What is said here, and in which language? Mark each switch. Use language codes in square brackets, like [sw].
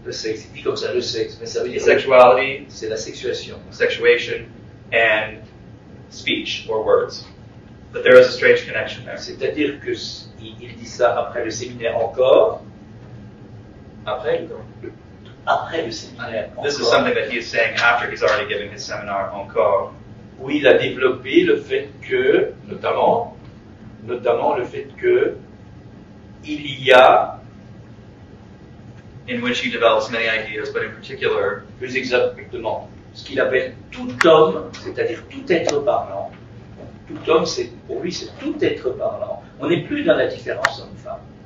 [fr] il dit comme ça, le sexe, mais ça veut dire [en] sexuality, [fr] c'est la sexuation, [en] and speech or words. But there is a strange connection there. [fr] C'est-à-dire que il dit ça après le séminaire encore. [en] This is something that he is saying after he's already given his seminar encore. [fr] Où il a développé le fait que, notamment le fait que il y a [en] in which he develops many ideas, but in particular, [fr] plus exactement, ce qu'il appelle tout homme, c'est-à-dire tout être parlant. Tout homme, c'est, pour lui, c'est tout être parlant. On n'est plus dans la différence homme-femme.